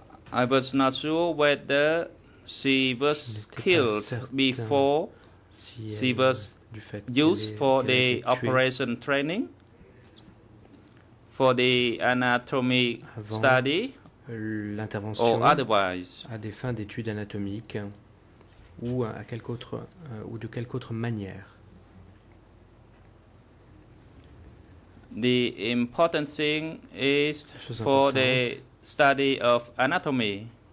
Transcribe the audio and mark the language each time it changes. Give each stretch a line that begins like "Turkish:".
English: I was not sure whether she was killed before she was used for the operation training, for the anatomy study,
French: l'intervention
English: or otherwise.
French: À des fins d'études anatomiques ou à quelque autre ou de quelque autre manière.
English: The important thing is for the study of anatomy.